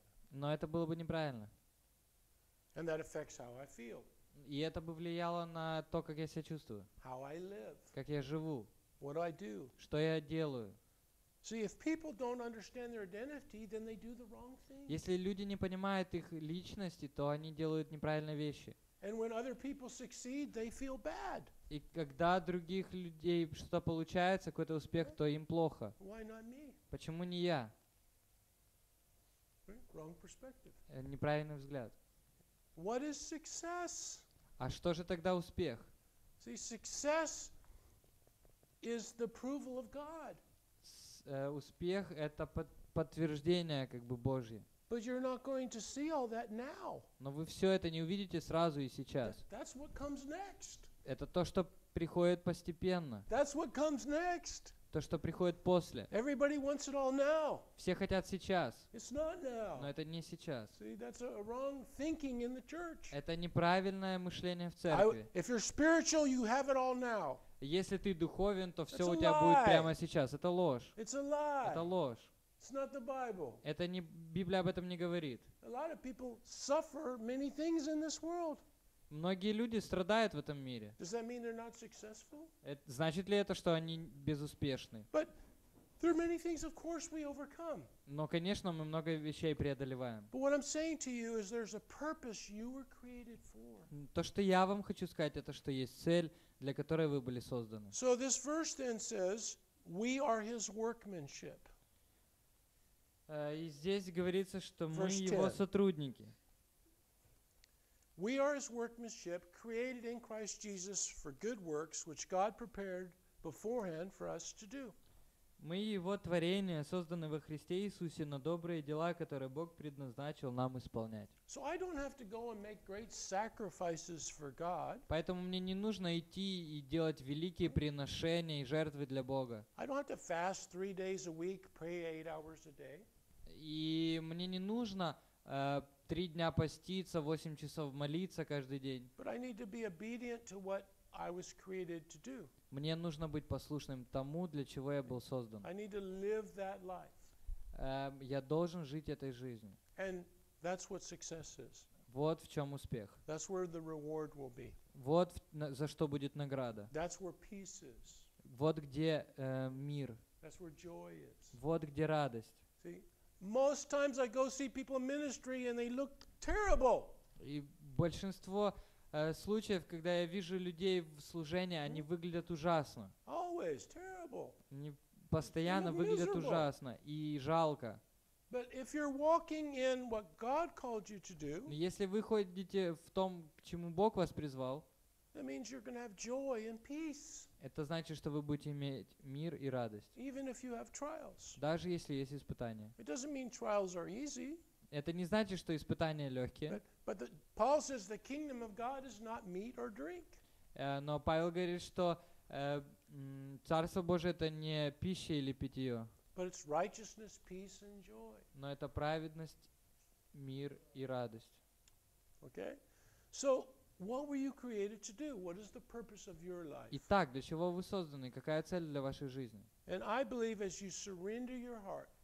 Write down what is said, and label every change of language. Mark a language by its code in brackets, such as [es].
[ru] Но это было бы неправильно. [en] And that affects how I feel. [ru] И это бы влияло на то, как я себя чувствую. [en] How I live. [ru] Как я живу. [en] What do I do? [ru] Что я делаю. [en] See, if people don't understand their identity, then they do the wrong things. [ru] Если люди не понимают их личности, то они делают неправильные вещи. [en] And when other people succeed, they feel bad. [ru] И когда других людей что-то получается, какой-то успех, то им плохо. [en] Why not me? [ru] Почему не я? [en] Wrong perspective. [ru] Неправильный взгляд. [en] What is success? [ru] А что же тогда успех? [en] See, success is the approval of God. [ru] Успех — это подтверждение как бы Божье. [en] But you're not going to see all that now. [ru] Но вы все это не увидите сразу и сейчас. [en] That's what comes next. [ru] Это то, что приходит постепенно. [en] That's what comes next. [ru] То, что приходит после. [en] Everybody wants it all now. [ru] Все хотят сейчас. [en] It's not now. [ru] Но это не сейчас. [en] See, that's a wrong thinking in the church. [ru] Это неправильное мышление в церкви. [en] If you're spiritual, you have it all now. [ru] Если ты духовен, то все у тебя будет прямо сейчас. Это ложь. [en] It's a lie. [ru] Это ложь. [en] It's not the Bible. [ru] Это не Библия об этом не говорит. [en] A lot of people suffer many things in this world. [ru] Многие люди страдают в этом мире. [en] Does that mean they're not successful? [ru] Значит ли это, что они безуспешны? [en] But there are many things, of course, we overcome. [ru] Но, конечно, мы много вещей преодолеваем. [en] But what I'm saying to you is there's a purpose you were created for. [ru] То, что я вам хочу сказать, это что есть цель, для которой вы были созданы. [en] So this verse then says, we are his workmanship. [ru] И здесь говорится, что мы его сотрудники. [en] We are his workmanship, created in Christ Jesus for good works, which God prepared beforehand for us to do. [ru] Мы его творение, созданное во Христе Иисусе на добрые дела, которые Бог предназначил нам исполнять. [en] So I don't have to go and make great sacrifices for God. [ru] Поэтому мне не нужно идти и делать великие приношения и жертвы для Бога. [en] I don't have to fast 3 days a week, pray 8 hours a day. [ru] И мне не нужно 3 дня поститься, 8 часов молиться каждый день. [en] But I need to be obedient to what I was created to do. [ru] Мне нужно быть послушным тому, для чего я был создан. [en] I need to live that life. [ru] Я должен жить этой жизнью. [en] And that's what success is. [ru] Вот в чем успех. [en] That's where the reward will be. [ru] Вот за что будет награда. [en] That's where peace is. [ru] Вот где мир. [en] That's where joy is. [ru] Вот где радость. [en] See? Most times I go see people in ministry and they look terrible. [ru] И большинство случаев, когда я вижу людей в служении, они выглядят ужасно. [en] Always terrible. [ru] Они постоянно выглядят ужасно и жалко. [en] But if you're walking in what God called you to do, [ru] если вы ходите в том, к чему Бог вас призвал, [en] that means you're going to have joy and peace. [ru] Это значит, что вы будете иметь мир и радость. [en] Even if you have trials. [ru] Даже если есть испытания. [en] It doesn't mean trials are easy. [ru] Это не значит, что испытания легкие. [en] But the, Paul says the kingdom of God is not meat or drink. [ru] Но Павел говорит, что Царство Божие это не пища или питье. [en] But it's righteousness, peace and joy. [ru] Но это праведность, мир и радость. [en] Okay? So what were you created to do? What is the purpose of your life? [ru] Итак, для чего вы созданы? Какая цель для вашей жизни? [en] And I believe as you surrender your heart.